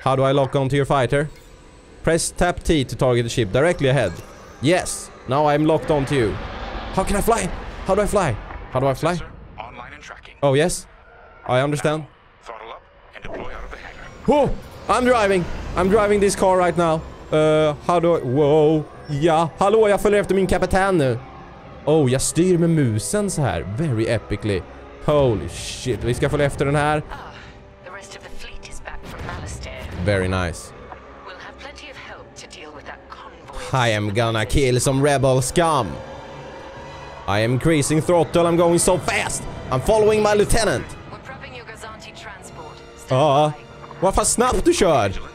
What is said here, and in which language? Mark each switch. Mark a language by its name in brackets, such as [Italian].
[English] How do I lock onto your fighter? Press tap T to target the ship directly ahead. Yes, now I'm locked onto you. How can I fly? How do I fly? How do I fly? Online and tracking. Oh, yes. I understand. Throttle up and deploy out of the hangar. Whoa, I'm driving. I'm driving this car right now. How do I... Whoa. Yeah. [Swedish] Hallå, jag följer efter min kapitän nu. Oh, jag styr med musen så här. [English] Very epically. Holy shit, [Swedish] vi ska följa efter den här. [English] The rest of the fleet is back from Malastare. Very nice. We'll have plenty of help to deal with that convoy. I am gonna kill some rebel scum. I am increasing throttle, I'm going so fast. I'm following my lieutenant. We're prepping your Gazanti transport. [Swedish] Vad fan snabbt du kör?